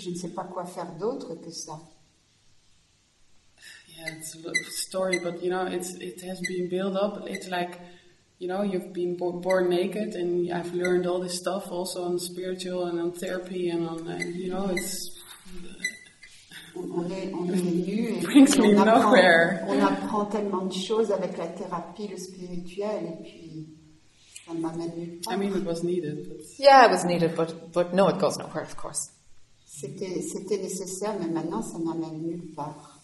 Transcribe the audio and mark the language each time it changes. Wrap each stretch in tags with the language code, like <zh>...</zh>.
<fr>je ne sais pas quoi faire d'autre que ça.</fr> <en>Yeah, it's a story, but you know, it has been built up. It's like, you know, you've been born naked, and I've learned all this stuff, also on spiritual and on therapy, and on, you know, it's.</en> <fr>On apprend tellement de choses avec la thérapie, le spirituel, et puis ça ne m'amène nulle part.</fr> <en>I mean, it was needed. But... Yeah, it was needed, but no, it goes nowhere, of course.</en> <fr>C'était nécessaire, mais maintenant ça n'amène nulle part.</fr>